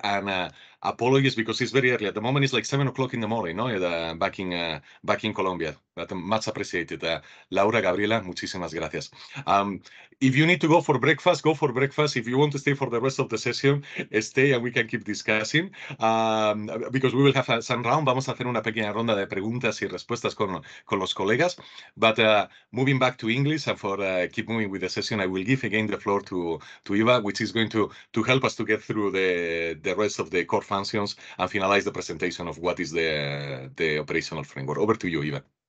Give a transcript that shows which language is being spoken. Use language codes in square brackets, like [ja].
[en] And apologies, because it's very early. At the moment, it's like 7 o'clock in the morning, no? Back in Colombia. But much appreciated. Laura, Gabriela, [es] muchísimas gracias. [en] If you need to go for breakfast, go for breakfast. If you want to stay for the rest of the session, stay and we can keep discussing. Because we will have some round. [es] Vamos a hacer una pequeña ronda de preguntas y respuestas con los colegas. [en] But moving back to English and for keep moving with the session, I will give again the floor to Eva, which is going to help us to get through the rest of the core functions and finalize the presentation of what is the operational framework. Over to you, Eva.